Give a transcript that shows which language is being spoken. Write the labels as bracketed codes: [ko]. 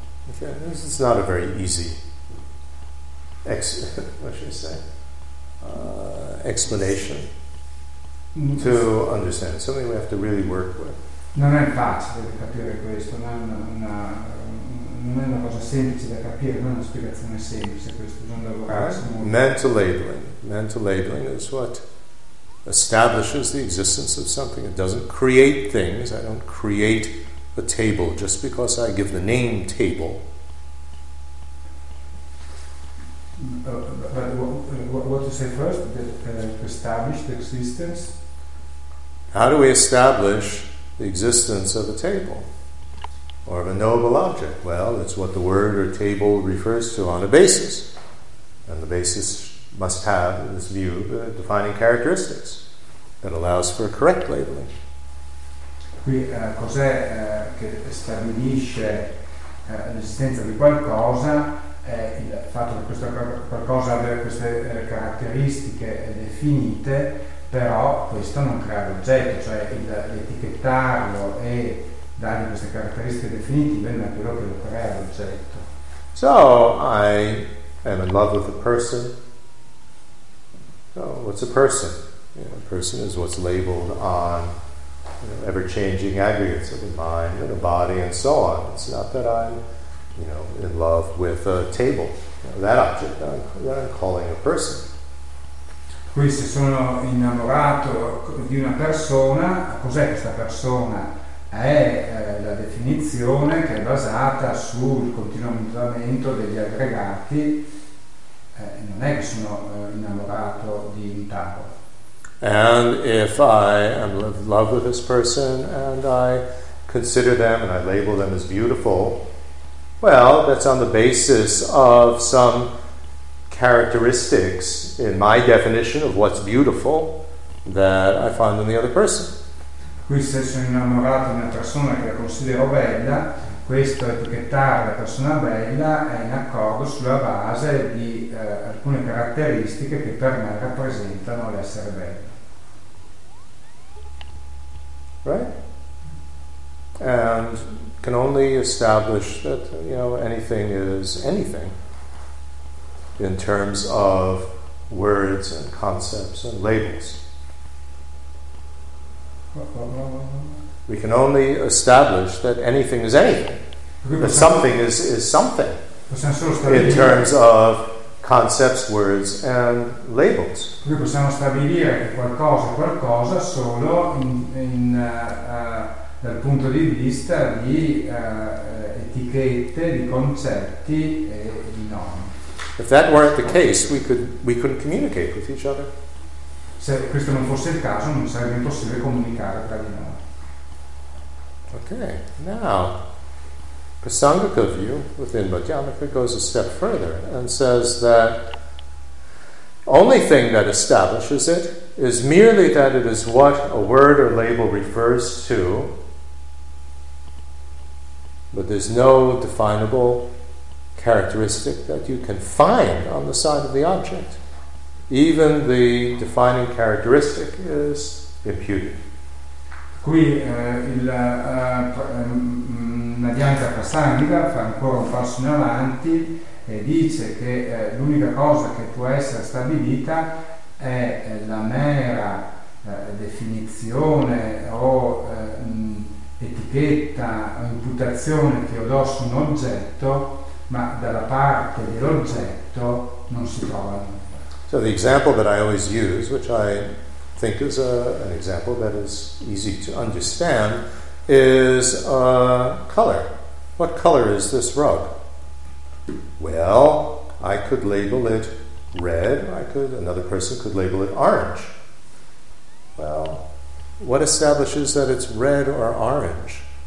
[en] Okay, this is not a very easy explanation to understand. Something we have to really work with. [it] Non è facile da capire questo, non è una cosa semplice da capire, non è una spiegazione semplice questo, bisogna lavorare. [en] Mental labeling is what establishes the existence of something. It doesn't create things. I don't create a table just because I give the name table. But what to say first? To establish the existence? How do we establish the existence of a table or of a knowable object? Well, it's what the word or table refers to on a basis. And the basis must have, in this view, defining characteristics that allows for correct labeling. [it] Qui cos'è che stabilisce l'esistenza di qualcosa? È il fatto che questo qualcosa abbia queste caratteristiche definite, però questo non crea l'oggetto, cioè l'etichettarlo e dargli queste caratteristiche definitive non è quello che lo crea l'oggetto. [en] So I am in love with a person. So what's a person? A person is what's labeled on ever-changing aggregates of the mind and the body and so on. It's not that I'm in love with a table, that object that I'm calling a person. [it] Qui se sono innamorato di una persona, cos'è questa persona? È la definizione che è basata sul continuo mutamento degli aggregati. Non è che sono innamorato di un tavolo. [en] And if I am in love with this person and I consider them and I label them as beautiful, well, that's on the basis of some characteristics in my definition of what's beautiful that I find in the other person. [it] Qui se sono innamorato di una persona che la considero bella, questo etichettare la persona bella è in accordo sulla base di alcune caratteristiche che per me rappresentano l'essere bello. [en] Right? And can only establish that anything is anything in terms of words and concepts and labels. We can only establish that anything is anything, that something is something in terms of concepts, words, and labels. [it] Qui possiamo stabilire che qualcosa è qualcosa solo dal punto di vista di etichette, di concetti e di nomi. [en] If that weren't the case, we couldn't communicate with each other. [it] Se questo non fosse il caso, non sarebbe possibile comunicare tra di noi. [en] Okay, now, Prasangika view within Madhyamaka goes a step further and says that only thing that establishes it is merely that it is what a word or label refers to, but there's no definable characteristic that you can find on the side of the object. Even the defining characteristic is imputed. [it] Qui il Madhyamaka Prasangika fa ancora un passo in avanti e dice che l'unica cosa che può essere stabilita è la mera definizione o etichetta o imputazione che io do su un oggetto, ma dalla parte dell'oggetto non si trova nulla. [en] So the example that I always use, which I think is an example that is easy to understand, is color. What color is this rug? Well, I could label it red, or I could, another person could label it orange. Well, what establishes that it's red or orange?